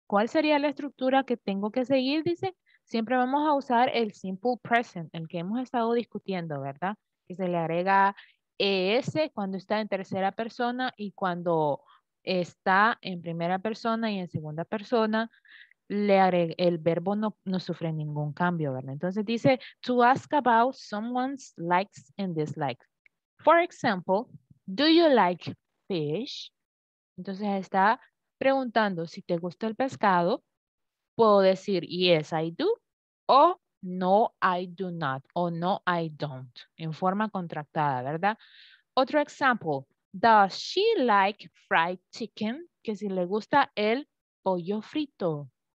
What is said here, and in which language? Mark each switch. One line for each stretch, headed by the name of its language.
Spanish: ¿Cuál sería la estructura que tengo que seguir? Dice, siempre vamos a usar el simple present, el que hemos estado discutiendo, ¿verdad? Que se le agrega ES cuando está en tercera persona y cuando está en primera persona y en segunda persona, le agrega, el verbo no sufre ningún cambio, ¿verdad? Entonces dice,
English: to ask about someone's likes and dislikes. For example, do you like fish?
Spanish: Entonces está preguntando si te gusta el pescado. Puedo decir,
English: yes, I do.
Spanish: O
English: No, I do not. O no, I don't.
Spanish: En forma contractada, ¿verdad? Otro
English: example. Does she like fried chicken?
Spanish: Que si le gusta el pollo frito.